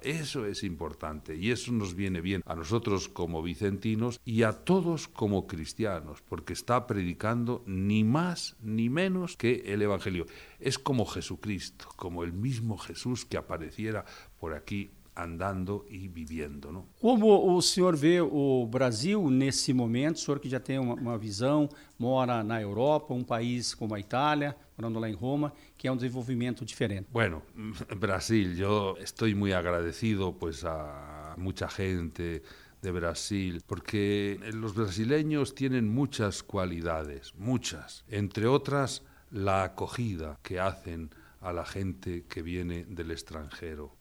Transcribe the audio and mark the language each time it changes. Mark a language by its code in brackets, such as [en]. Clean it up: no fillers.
[es] Eso es importante y eso nos viene bien a nosotros como vicentinos y a todos como cristianos, porque está predicando ni más ni menos que el Evangelio. Es como Jesucristo, como el mismo Jesús que apareciera por aquí andando y viviendo, ¿no? [pt] ¿Cómo o senhor vê o Brasil nesse momento? O senhor que já tem uma visão, mora na Europa, um país como a Itália, morando lá em Roma, que é um desenvolvimento diferente. [es] Bueno, Brasil, yo estoy muy agradecido pues a mucha gente de Brasil, porque los brasileños tienen muchas cualidades, muchas, entre otras la acogida que hacen a la gente que viene del extranjero.